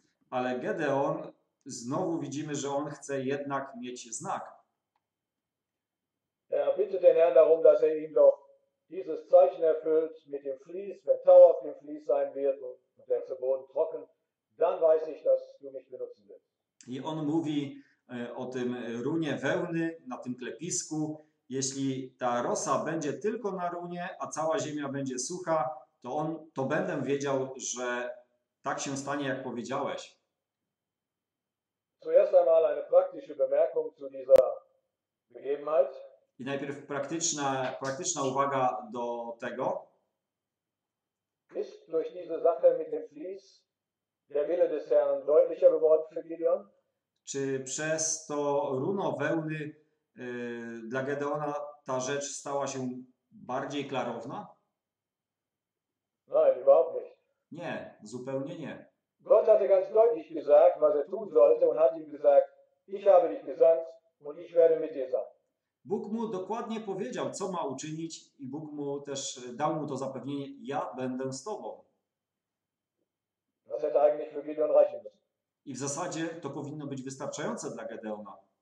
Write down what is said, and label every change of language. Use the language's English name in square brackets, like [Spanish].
[Polish] Ale Gedeon, Znowu widzimy, że on chce jednak mieć znak. [German] Er bittet den Herrn darum, dass er ihm doch dieses Zeichen erfüllt mit dem Vlies, wenn Tau auf dem Vlies sein wird und der zu Boden trocken, dann weiß ich, dass du mich benutzen willst. [Polish] I on mówi o tym runie wełny na tym klepisku. Jeśli ta rosa będzie tylko na runie, a cała ziemia będzie sucha, to on, to będę wiedział, że tak się stanie, jak powiedziałeś. [German] Zuerst einmal eine praktische Bemerkung zu dieser Gegebenheit. [Polish] I najpierw praktyczna uwaga do tego. [German] Ist durch diese Sache mit dem Vlies der Wille des Herrn deutlicher geworden für Gideon? [Polish] Czy przez to runo wełny dla Gedeona ta rzecz stała się bardziej klarowna? [German] Nein, überhaupt nicht. [Polish] Nie, zupełnie nie. [German] Gott hatte ganz deutlich gesagt, was er tun sollte und hat ihm gesagt, ich habe dich gesandt und ich werde mit dir sein. [Polish] Bóg mu dokładnie powiedział, co ma uczynić i Bóg mu też dał mu to zapewnienie, ja będę z tobą. [German] Das hätte eigentlich für Gideon reichen müssen. [Polish] I w zasadzie to powinno być wystarczające dla Gedeona.